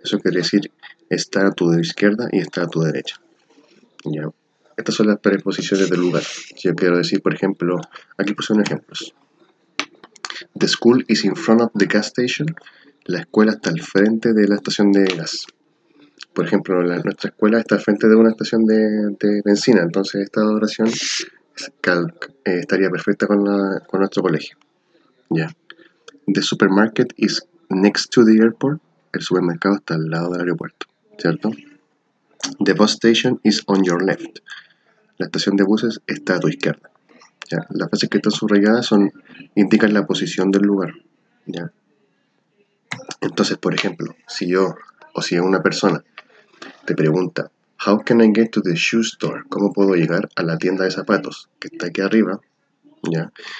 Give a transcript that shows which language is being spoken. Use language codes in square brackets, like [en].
[es] Eso quiere decir, está a tu izquierda y está a tu derecha. ¿Ya? Estas son las preposiciones del lugar. Si yo quiero decir, por ejemplo, aquí puse un ejemplo. [en] The school is in front of the gas station. [es] La escuela está al frente de la estación de gas. Por ejemplo, nuestra escuela está al frente de una estación de bencina. Entonces, esta oración estaría perfecta con nuestro colegio. [en] Yeah. The supermarket is next to the airport. [es] El supermercado está al lado del aeropuerto. ¿Cierto? [en] The bus station is on your left. [es] La estación de buses está a tu izquierda. [en] Yeah. [es] Las frases que están subrayadas indican la posición del lugar. Yeah. Entonces, por ejemplo, si una persona te pregunta, [en] how can I get to the shoe store? [es] ¿Cómo puedo llegar a la tienda de zapatos que está aquí arriba? ¿Ya?